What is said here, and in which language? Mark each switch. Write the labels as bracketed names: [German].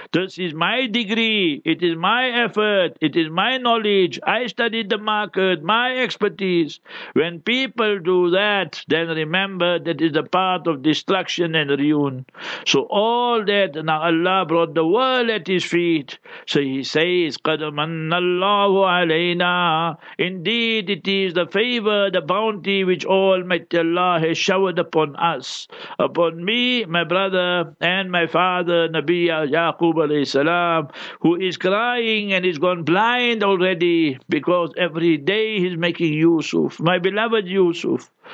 [English] This is my degree, it is my effort, it is my knowledge. I studied the market, my expertise. When people do that, then remember that is the path of destruction and ruin. So all that, now Allah brought the world at His feet. So He says, [Arabic] قَدْ مَنَّ اللَّهُ عَلَيْنَا. [English] Indeed, it is the favor, the bounty which Almighty Allah has showered upon us. Upon me, my brother, and my father, Nabi Yaqub alayhi salam, who is crying and is gone blind already, because every day he's making Yusuf, my beloved Yusuf.